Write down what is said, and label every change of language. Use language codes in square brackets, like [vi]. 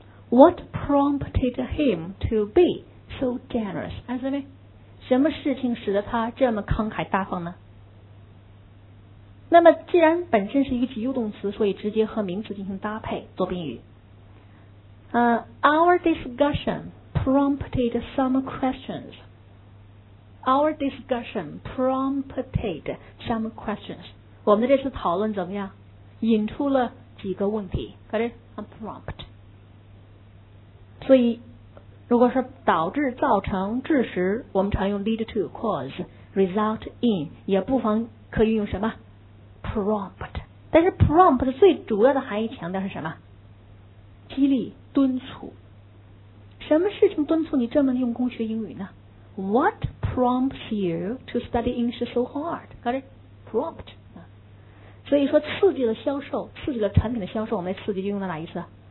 [en] What prompted him to beSo generous, answer me. [zh] 什么事情使得他这么慷慨大方呢？那么既然本身是一个及物动词，所以直接和名词进行搭配做宾语。 [en] Our discussion prompted some questions. Our discussion prompted some questions. [zh] 我们的这次讨论怎么样？引出了几个问题。 [en] Got it? A prompt. [zh] 所以如果是导致、造成、致使，我们常用 [en] lead to, cause, result in, [zh] 也不妨可以用什么 prompt。但是 prompt 最主要的含义强调是什么？激励、敦促。什么事情敦促你这么用功学英语呢？ [en] What prompts you to study English so hard? Got it? Prompt。 [zh] 所以说刺激了销售，刺激了产品的销售，我们刺激就用了哪一次？